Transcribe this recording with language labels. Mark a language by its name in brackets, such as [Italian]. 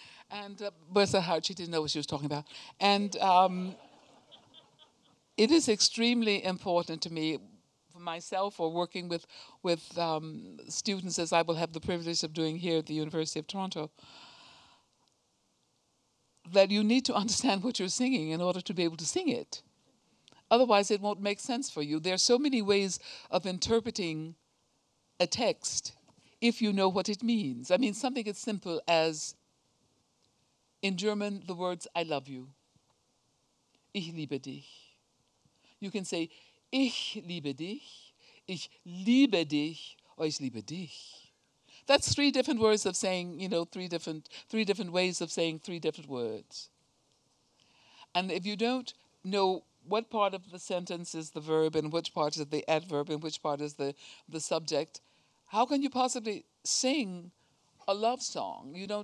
[English] And bless her heart, she didn't know what she was talking about. And it is extremely important to me, for myself or working with students, as I will have the privilege of doing here at the University of Toronto, that you need to understand what you're singing in order to be able to sing it. Otherwise, it won't make sense for you. There are so many ways of interpreting a text if you know what it means. I mean, something as simple as, in German, the words, I love you. [German] Ich liebe dich. [English] You can say, [German] ich liebe dich, ich liebe dich, [English] or [German] ich liebe dich. [English] That's three different words of saying, you know, three different ways of saying three different words. And if you don't know what part of the sentence is the verb and which part is the adverb and which part is the subject, how can you possibly sing a love song?